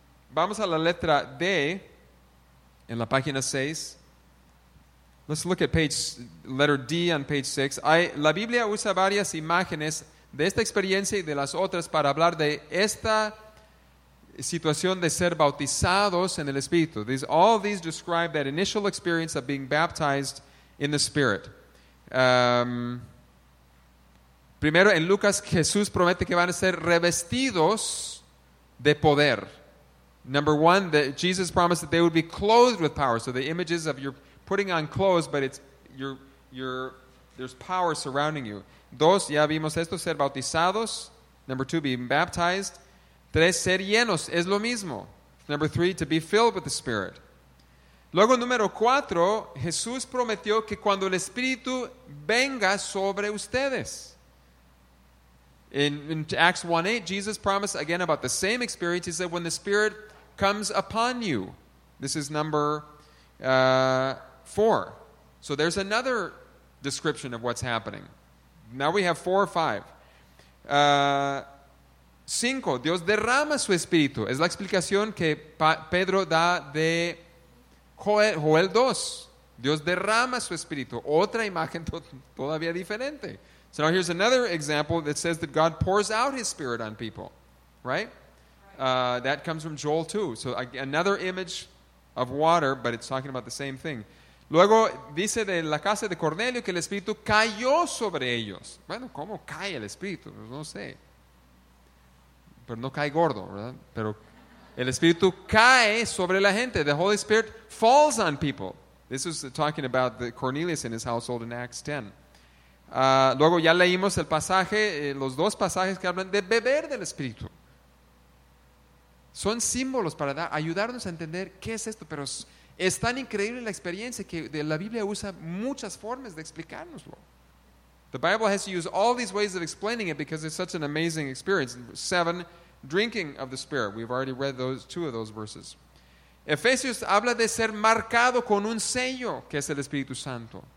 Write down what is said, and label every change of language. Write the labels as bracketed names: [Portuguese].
[Spanish] Vamos a la letra D, en la página 6. [English] Let's look at letter D on page 6. [Spanish] La Biblia usa varias imágenes de esta experiencia y de las otras para hablar de esta situación de ser bautizados en el Espíritu. [English] All of these describe that initial experience of being baptized in the Spirit. [Spanish] Primero, en Lucas, Jesús promete que van a ser revestidos de poder. [English] Number one, that Jesus promised that they would be clothed with power. So the images of you're putting on clothes, but it's there's power surrounding you. [Spanish] Dos, ya vimos esto, ser bautizados. [English] Number two, being baptized. [Spanish] Tres, ser llenos, es lo mismo. [English] Number three, to be filled with the Spirit. [Spanish] Luego, número cuatro, Jesús prometió que cuando el Espíritu venga sobre ustedes. [English] In Acts 1:8, Jesus promised again about the same experience. He said, when the Spirit comes upon you. This is number 4. So there's another description of what's happening. Now we have 4 or 5. 5, [Spanish] Dios derrama su espíritu. Es la explicación que Pedro da de Joel 2. Dios derrama su espíritu. Otra imagen todavía diferente. [English] So now here's another example that says that God pours out his spirit on people. Right? That comes from Joel 2. So another image of water, but it's talking about the same thing. [Spanish] Luego dice de la casa de Cornelio que el espíritu cayó sobre ellos. Bueno, ¿cómo cae el espíritu? No sé. Pero no cae gordo, ¿verdad? Pero el espíritu cae sobre la gente. [English] The Holy Spirit falls on people. This is talking about the Cornelius and his household in Acts 10. [Spanish] Luego ya leímos el pasaje, los dos pasajes que hablan de beber del espíritu. Son símbolos para ayudarnos a entender qué es esto, pero es tan increíble la experiencia que la Biblia usa muchas formas de explicárnoslo. [English] The Bible has to use all these ways of explaining it because it's such an amazing experience. 7, drinking of the Spirit. We've already read those 2 of those verses. [Spanish] Efesios habla de ser marcado con un sello, que es el Espíritu Santo.